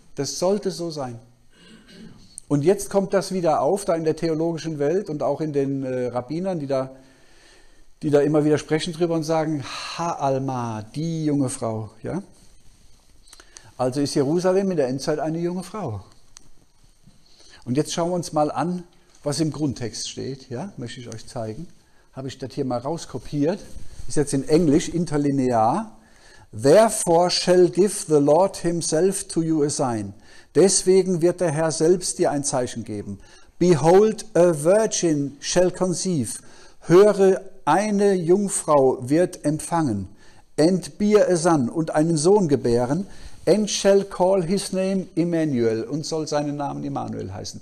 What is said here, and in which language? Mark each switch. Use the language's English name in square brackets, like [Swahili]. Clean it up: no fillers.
[German] Das sollte so sein. Und jetzt kommt das wieder auf, da in der theologischen Welt und auch in den Rabbinern, die da immer wieder sprechen drüber und sagen, Ha-Alma, die junge Frau. Ja? Also ist Jerusalem in der Endzeit eine junge Frau. Und jetzt schauen wir uns mal an, was im Grundtext steht. Ja? Möchte ich euch zeigen. Habe ich das hier mal rauskopiert, ist jetzt in Englisch, interlinear. [English] Therefore shall give the Lord himself to you a sign. [German] Deswegen wird der Herr selbst dir ein Zeichen geben. [English] Behold, a virgin shall conceive. [German] Höre, eine Jungfrau wird empfangen. [English] And bear a son, [German] und einen Sohn gebären. [English] And shall call his name Emmanuel, [German] und soll seinen Namen Immanuel heißen.